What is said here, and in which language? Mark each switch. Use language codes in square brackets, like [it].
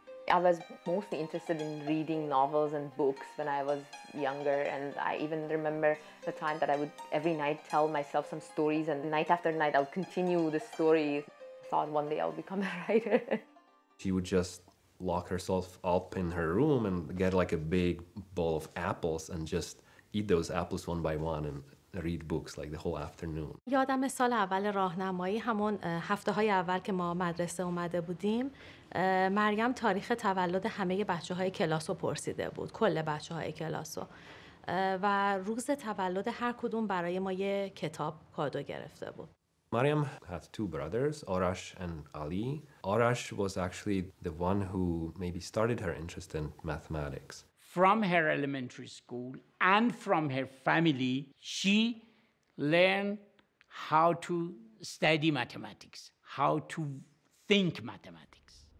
[en] I was mostly interested in reading novels and books when I was younger, and I even remember the time that I would every night tell myself some stories, and night after night I'll continue the story. I thought one day I'll become a writer. She would just lock herself up in her room and get like a big bowl of apples and just eat those apples one by one and read books like the whole afternoon. [fa] یادم سال اول راهنمایی همون هفته‌های اول که ما مدرسه اومده بودیم مریم تاریخ تولد همه بچه‌های کلاس رو پرسیده بود کل بچه‌های کلاس رو و روز تولد هر کدوم برای ما یه کتاب کادو گرفته بود. [en] Mariam had two brothers, Arash and Ali. Arash was actually the one who maybe started her interest in mathematics. From her elementary school and from her family, she learned how to study mathematics, how to think mathematics.